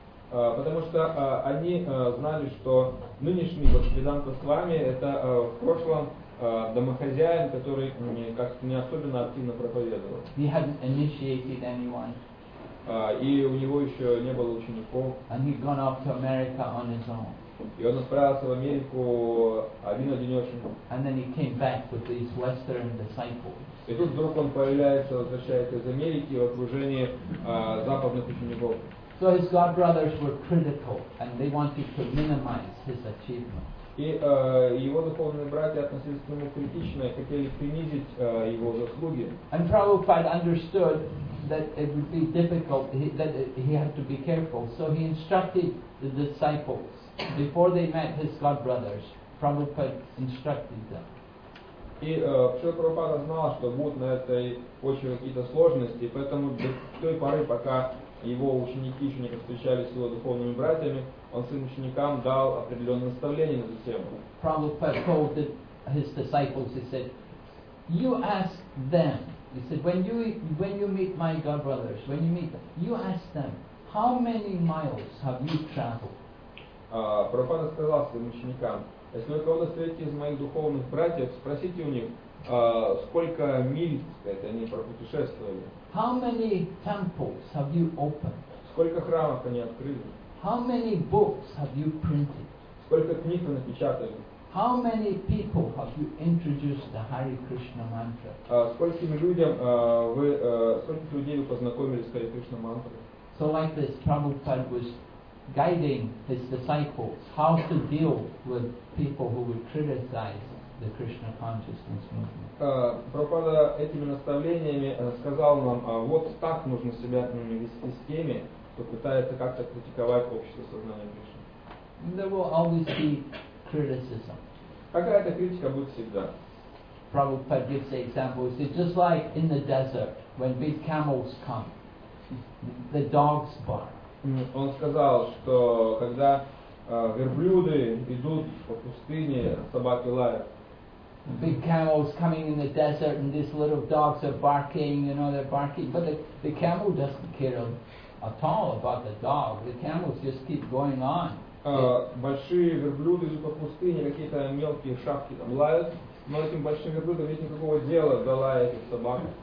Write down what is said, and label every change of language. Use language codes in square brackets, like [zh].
[ru] Потому что они знали, что нынешний Бхактивиданта Свами это в прошлом домохозяин, который как не особенно активно проповедовал. [en] He hadn't initiated anyone. [ru] И у него еще не было учеников. [en] And he'd gone off to America on his own. [ru] И он отправился в Америку один-одинёшенько. [en] And then he came back with these Western disciples. [ru] И тут вдруг он появляется, возвращается из Америки в окружении западных учеников. [en] So his god brothers were critical, and they wanted to minimize his achievement. [ru] И его духовные братья относились к нему критично и хотели принизить его заслуги. [en] And Prabhupada understood that it would be difficult, that he had to be careful. So he instructed the disciples. Before they met his god brothers, Prabhupada instructed them. [ru] И Шрила Прабхупада знал, что будут на этой почве какие-то сложности, поэтому до той поры, пока его ученики еще не встречались с его духовными братьями, он своим ученикам дал определенные наставления на эту тему. [en] Prabhupada told his disciples, he said, "You ask them. He said, when you meet my god brothers, when you meet them, you ask them, how many miles have you traveled?" [ru] Прабхупада сказал своим ученикам, если вы кого-то встретите из моих духовных братьев, спросите у них, сколько миль, так сказать, они пропутешествовали. [en] How many temples have you opened? [ru] Сколько храмов они открыли? [en] How many books have you printed? [ru] Сколько книг вы напечатали? [en] How many people have you introduced the Hare Krishna mantra? [ru] Скольких людей вы познакомили с Hare Krishna mantra? [en] So like this, Prabhupada was guiding his disciples how to deal with people who would criticize the Krishna consciousness movement. [ru] Прабхупада этими наставлениями сказал нам, вот так нужно себя вести с теми, кто пытается как-то критиковать общество сознания Кришны. [en] There will always be criticism. [ru] Какая-то критика будет всегда. [en] Prabhupada gives the example. He said, just like in the desert, when big camels come, the dogs bark. [ru] Он сказал, что когда верблюды идут по пустыне, собаки лают. [en] big camels coming in the desert and these little dogs are barking, you know, they're barking. But the camel doesn't care at all about the dog. The camels just keep going on. [ru] Большие верблюды же по пустыне, какие-то мелкие шавки там лают, но этим большим верблюдам нет никакого дела до лая этих собак.